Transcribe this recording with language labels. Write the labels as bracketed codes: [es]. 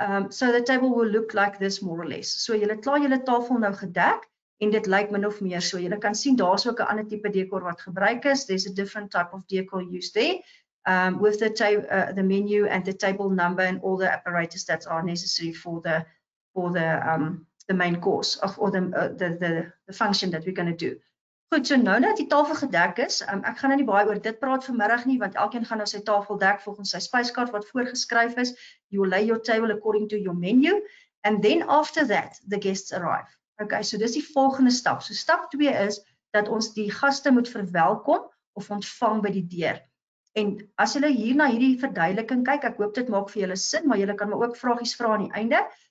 [en] So the table will look like this more or less. [af] So julle klaar julle tafel nou gedek. En dit lyk min of meer so. Julle kan sien daar's ook 'n ander tipe dekor wat gebruik is. [en] There's a different type of decor used there. With the menu and the table number and all the apparatus that are necessary for the main course of or the function that we're going to do. [af] Goed, so nou dat die tafel gedek is, ek gaan nou nie baie oor dit praat vanmiddag nie, want elkeen gaan nou sy tafel dek volgens sy spyskaart wat voorgeskryf is. [en] You lay your table according to your menu and then after that the guests arrive. [af] Okay, so dis die volgende stap. So stap 2 is dat ons die gaste moet verwelkom of ontvang by die deur. En as julle hier na hierdie verduideliking kyk, ek hoop dit maak vir julle sin, maar julle kan my ook vragies vra aan die einde.